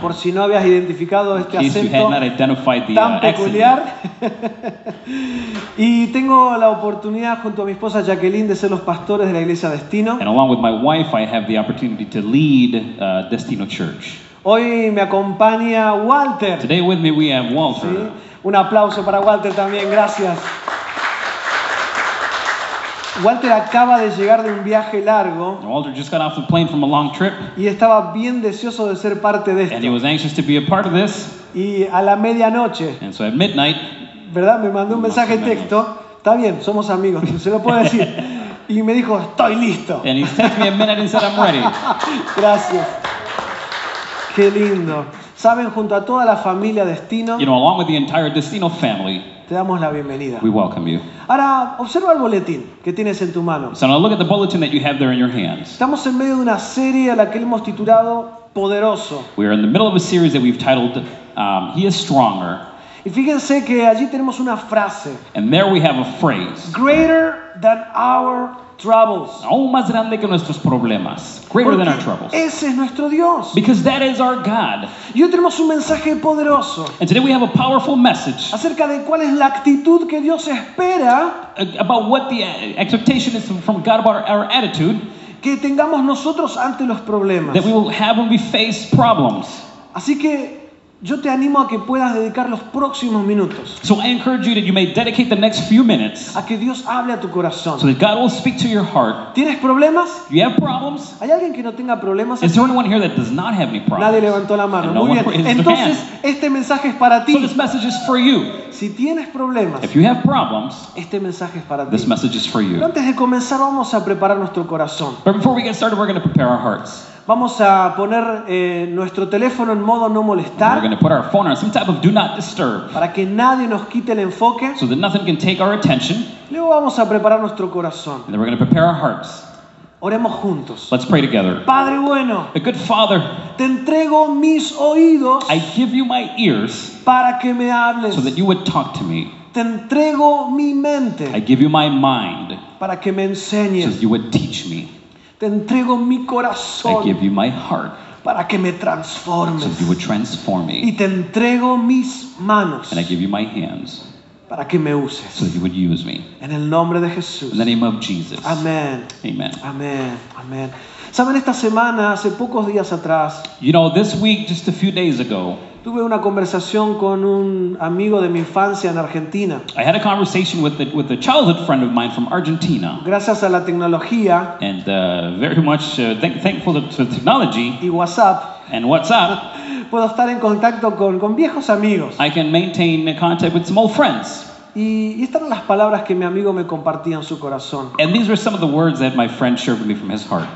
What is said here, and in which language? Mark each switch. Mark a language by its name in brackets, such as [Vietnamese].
[Spanish] Por si no habías identificado este acento tan peculiar. Y tengo la oportunidad junto a mi esposa Jacqueline de ser los pastores de la Iglesia Destino. [English] And along with my wife, I have the opportunity to lead Destino Church. [Spanish] Hoy me acompaña Walter. [English] Today with me we have Walter. [Spanish] ¿Sí? Un aplauso para Walter también. Gracias. Walter acaba de llegar de un viaje largo. [English] Walter just got off the plane from a long trip. [Spanish] Y estaba bien deseoso de ser parte de esto. [English] And he was anxious to be a part of this. [Spanish] Y a la medianoche. [English] And so at midnight. [Spanish] ¿Verdad? Me mandó un mensaje texto. Está bien, somos amigos, se lo puedo decir. Y me dijo, estoy listo. [English] And he texted me a minute and said, I'm ready. [Spanish] Gracias. Qué lindo. Saben, junto a toda la familia Destino. [English] You know, along with the entire Destino family. [Spanish] Te damos la bienvenida. [English] We welcome you. [Spanish] Ahora, observa el boletín que tienes en tu mano. [English] So now look at the bulletin that you have there in your hands. [Spanish] Estamos en medio de una serie a la que hemos titulado Poderoso. [English] We are in the middle of a series that we've titled He is Stronger. [Spanish] Y fíjense que allí tenemos una frase. [English] And there we have a phrase. Greater than our troubles. [Spanish] Aún más grande que nuestros problemas. Greater Porque [English] than our troubles. [Spanish] Ese es nuestro Dios. [English] Because that is our God. [Spanish] Y hoy tenemos un mensaje poderoso. [English] And today we have a powerful message. [Spanish] Acerca de cuál es la actitud que Dios espera. [English] About what the expectation is from God about our attitude. [Spanish] Que tengamos nosotros ante los problemas. [English] That we will have when we face problems. [Spanish] Así que yo te animo a que puedas dedicar los próximos minutos. [English] So I encourage you that you may dedicate the next few minutes. [Spanish] A que Dios hable a tu corazón. [English] So that God will speak to your heart. [Spanish] ¿Tienes problemas? [English] You have problems? [Spanish] ¿Hay alguien que no tenga problemas? [English] Is there anyone here that does not have any problems? [Spanish] Nadie levantó la mano. [English] And [Spanish] muy no bien. Entonces, este mensaje es para ti. [English] So this message is for you. [Spanish] Si tienes problemas. [English] If you have problems. [Spanish] Este mensaje es para ti. [English] This message is for you. [Spanish] Pero antes de comenzar vamos a preparar nuestro corazón. [English] But before we get started, we're going to prepare our hearts. [Spanish] Vamos a poner nuestro teléfono en modo no molestar. [English] We're going to put our phone on some type of do not disturb. [Spanish] Para que nadie nos quite el enfoque. [English] So that nothing can take our attention. [Spanish] Luego vamos a preparar nuestro corazón. [English] And then we're going to prepare our hearts. [Spanish] Oremos juntos. [English] Let's pray together. [Spanish] Padre bueno. [English] A good Father. [Spanish] Te entrego mis oídos. [English] I give you my ears. [Spanish] Para que me hables. [English] So that you would talk to me. [Spanish] Te entrego mi mente. [English] I give you my mind. [Spanish] Para que me enseñes. [English] So that you would teach me. [Spanish] Te entrego mi corazón. [English] I give you my heart. [Spanish] Para que me transformes. [English] So you would transform me. [Spanish] Y te entrego mis manos. [English] And I give you my hands. [Spanish] Para que me uses. [English] So you would use me. [Spanish] En el nombre de Jesús. [English] In the name of Jesus. [Spanish] Amén. [English] Amen. [Spanish] Amén. Amén. Saben, esta semana, hace pocos días atrás. [English] You know, this week, just a few days ago. [Spanish] Tuve una conversación con un amigo de mi infancia en Argentina. [English] I had a conversation with a childhood friend of mine from Argentina. [Spanish] Gracias a la tecnología. [English] And very much thankful to technology. [Spanish] Y WhatsApp. [English] And WhatsApp. [Spanish] Puedo estar en contacto con viejos amigos. [English] I can maintain contact with some old friends. [Spanish] Y estas eran las palabras que mi amigo me compartía en su corazón. [English] And these were some of the words that my friend shared with me from his heart.